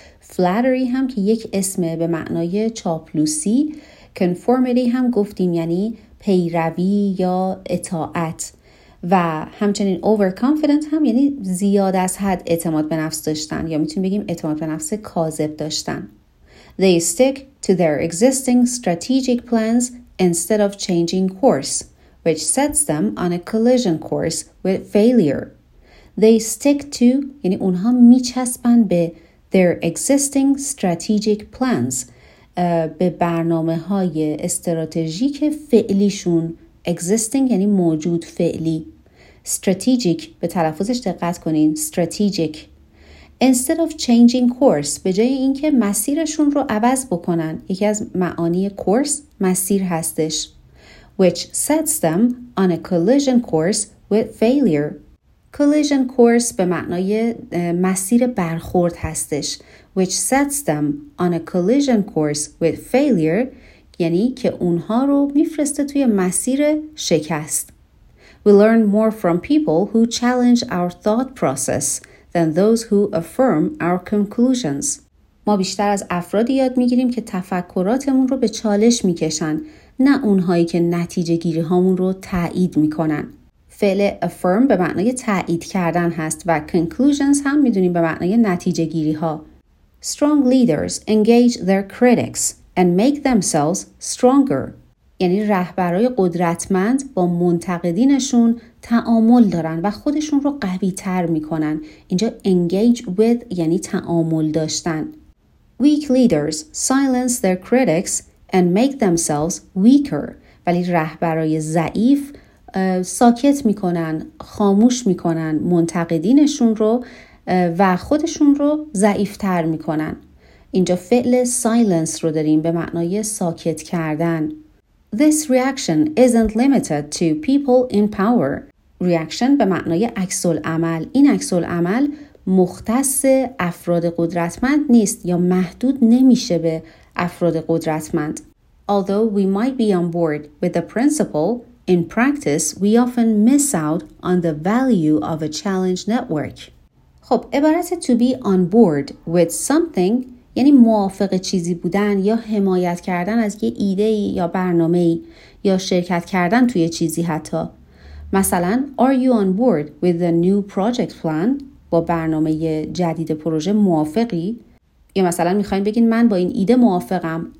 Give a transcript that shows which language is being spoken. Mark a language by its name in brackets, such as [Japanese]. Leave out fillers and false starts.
[Persian] flattery هم که یک اسم به معنای چاپلوسی، conformity هم گفتیم یعنی پیروی یا اطاعت، و همچنین overconfident هم یعنی زیاد از حد اعتماد به نفس داشتن، یا میتونیم بگیم اعتماد به نفس کاذب داشتن. [English] They stick to their existing strategic plans instead of changing course, which sets them on a collision course with failure. They stick to [Persian] یعنی اونها میچسبن به [English] their existing strategic plans، [Persian] به برنامه های استراتژیک فعلیشون. Existing یعنی موجود فعلی. Strategic به تلفظش دقت کنین. [English] Strategic. Instead of changing course، [Persian] به جای اینکه مسیرشون رو عوض بکنن. یکی از معانی course مسیر هستش. [English] Which sets them on a collision course with failure. [Persian] Collision course به معنای مسیر برخورد هستش. [English] Which sets them on a collision course with failure، [Persian] یعنی که اونها رو میفرسته توی مسیر شکست. [English] We learn more from people who challenge our thought process than those who affirm our conclusions. [Persian] ما بیشتر از افرادی یاد میگیریم که تفکراتمون رو به چالش میکشن، نه اونهایی که نتیجه گیری هامون رو تایید میکنن. فعل affirm به معنای تایید کردن هست و conclusions هم میدونیم به معنای نتیجه گیری ها. [English] Strong leaders engage their critics and make themselves stronger. [Persian] یعنی رهبرای قدرتمند با منتقدینشون تعامل دارن و خودشون رو قوی تر میکنن. اینجا engage with یعنی تعامل داشتن. [English] Weak leaders silence their critics and make themselves weaker. [Persian] ولی رهبرای ضعیف ساکت میکنن، خاموش میکنن منتقدینشون رو و خودشون رو ضعیف تر میکنن. اینجا فعل silence رو داریم به معنای ساکت کردن. [English] This reaction isn't limited to people in power. [Persian] Reaction به معنای عکس العمل. این عکس العمل مختص افراد قدرتمند نیست یا محدود نمیشه به افراد قدرتمند. [English] Although we might be on board with the principle, in practice we often miss out on the value of a challenge network. [Persian] خب عبارت [English] to be on board with something [Persian] یعنی موافق چیزی بودن یا حمایت کردن از یه ایده یا برنامه‌ای یا شرکت کردن توی چیزی حتی. مثلا [English] Are you on board with the new project plan؟ [Persian] با برنامه جدید پروژه موافقی؟ یا مثلا میخواییم بگین من با این ایده موافقم.